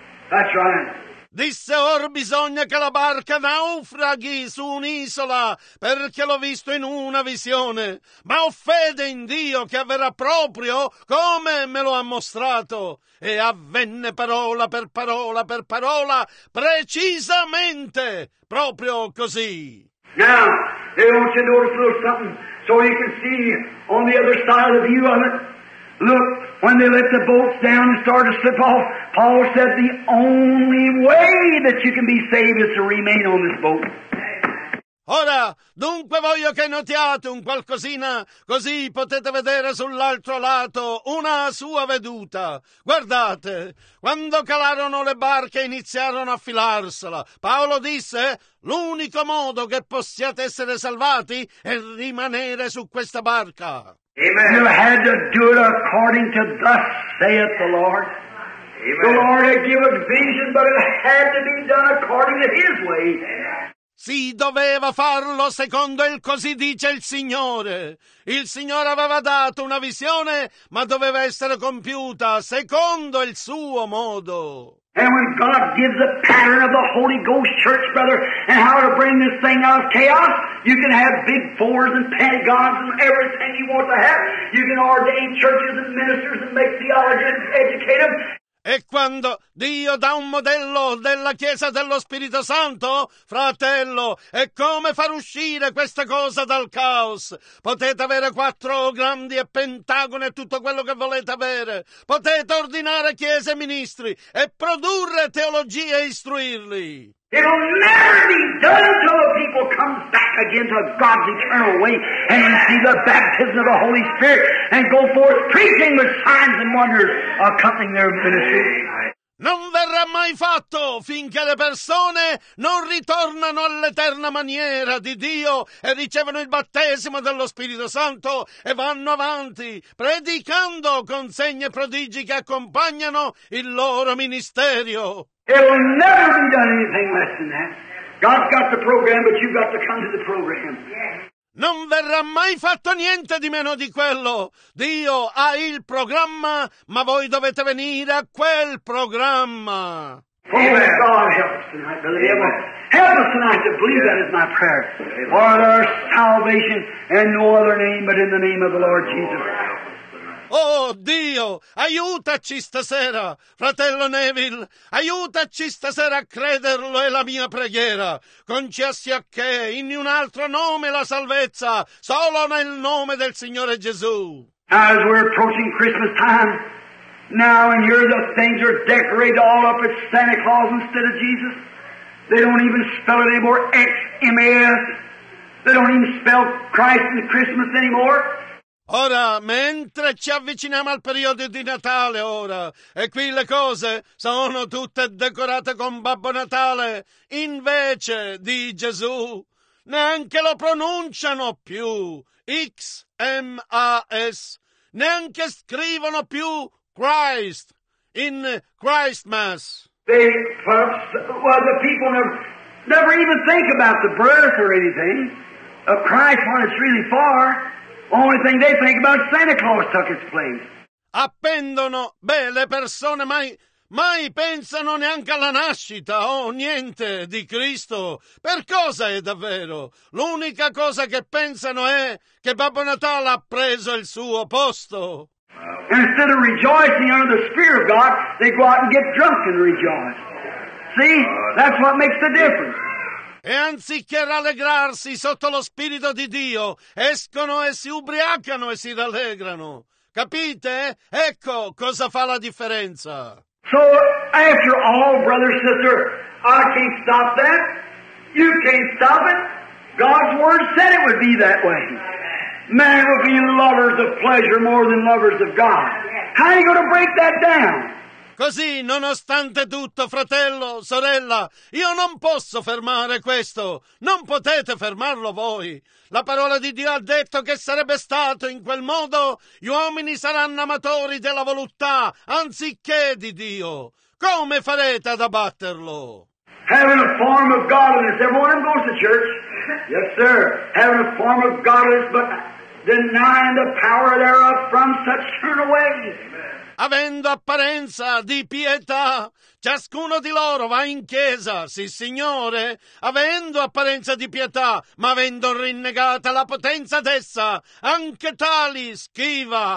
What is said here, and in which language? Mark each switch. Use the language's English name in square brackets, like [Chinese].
[English] That's right. [Italian] Disse, or bisogna che la barca naufraghi su un'isola, perché l'ho visto in una visione. Ma ho fede in Dio che avverrà proprio come me lo ha mostrato. E avvenne parola per parola per parola, precisamente, proprio così. [English] Now, they want you to notice a little something, so you can see on the other side of the view of it. Look, when they let the boats down and started to slip off, Paul said the only way that you can be saved is to remain on this boat. [Italian] Ora, dunque voglio che notiate un qualcosina, così potete vedere sull'altro lato una sua veduta. Guardate, quando calarono le barche e iniziarono a filarsela, Paolo disse, l'unico modo che possiate essere salvati è rimanere su questa barca. [English] Amen. You had to do it according to thus saith the Lord. Amen. The Lord had given vision, but it had to be done according to His way. [Italian] Si doveva farlo secondo il così dice il Signore. Il Signore aveva dato una visione, ma doveva essere compiuta secondo il suo modo. [English] And when God gives the pattern of the Holy Ghost Church, brother, and how to bring this thing out of chaos, you can have big fours and pentagons and everything you want to have. You can ordain churches and ministers and make theology and educate them. [Italian] E quando Dio dà un modello della Chiesa dello Spirito Santo, fratello, è come far uscire questa cosa dal caos. Potete avere quattro grandi e pentagoni e tutto quello che volete avere. Potete ordinare chiese e ministri e produrre teologie e istruirli. [English] It'll never be done until the people come back again to God's eternal way and receive the baptism of the Holy Spirit and go forth preaching with signs and wonders accompanying their ministry. [Italian] Non verrà mai fatto finché le persone non ritornano all'eterna maniera di Dio e ricevono il battesimo dello Spirito Santo e vanno avanti predicando con segni e prodigi che accompagnano il loro ministerio. [English] It will never be done anything less than that. God's got the program, but you've got to come to the program. Yeah. [Italian] Non verrà mai fatto niente di meno di quello. Dio ha il programma, ma voi dovete venire a quel programma. [English] Amen. Oh, God, help us tonight, believe. Amen. Help us tonight to believe. Yes. That is my prayer. Amen. For our salvation and no other name but in the name of the Lord Jesus. [Italian] Oh Dio, aiutaci stasera, fratello Neville, aiutaci stasera a crederlo, è la mia preghiera. Concessi a che in un altro nome la salvezza, solo nel nome del Signore Gesù. [English] As we're approaching Christmas time, now and here the things are decorated all up at Santa Claus instead of Jesus. They don't even spell it anymore, X-M-A-S. They don't even spell Christ and Christmas anymore. [Italian] Ora, mentre ci avviciniamo al periodo di Natale, ora, e qui le cose sono tutte decorate con Babbo Natale, invece di Gesù, neanche lo pronunciano più, X-M-A-S, neanche scrivono più Christ, in Christmas. [English] The people never even think about the birth or anything of Christ when it's really far. Only thing they think about is Santa Claus took his place. [Italian] Appendono, beh, le persone mai pensano neanche alla nascita o niente di Cristo. Per cosa è davvero? L'unica cosa che pensano è che Babbo Natale ha preso il suo posto. [English] Instead of rejoicing under the Spirit of God, they go out and get drunk and rejoice. See? That's what makes the difference. [Italian] E anziché rallegrarsi sotto lo Spirito di Dio, escono e si ubriacano e si rallegrano. Capite? Ecco cosa fa la differenza. [English] So, after all, brother, sister, I can't stop that. You can't stop it. God's Word said it would be that way. Man will be lovers of pleasure more than lovers of God. How are you going to break that down? [Italian] Così, nonostante tutto, fratello, sorella, io non posso fermare questo. Non potete fermarlo voi. La parola di Dio ha detto che sarebbe stato in quel modo. Gli uomini saranno amatori della volontà, anziché di Dio. Come farete ad abbatterlo? [English] Having a form of godliness. Everyone goes to church. Yes, sir. Having a form of godliness, but denying the power thereof from such turn away. [Italian] Avendo apparenza di pietà, ciascuno di loro va in chiesa, sì signore, avendo apparenza di pietà, ma avendo rinnegata la potenza d'essa, anche tali schiva.